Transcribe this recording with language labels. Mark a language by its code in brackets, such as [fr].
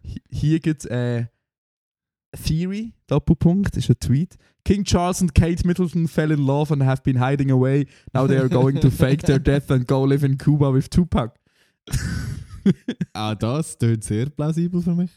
[de] Hier gibt es Theory, Doppelpunkt, ist ein Tweet. [en] King Charles and Kate Middleton fell in love and have been hiding away. Now they are going to fake their death and go live in Cuba with Tupac. [de] Auch das klingt sehr plausibel für mich.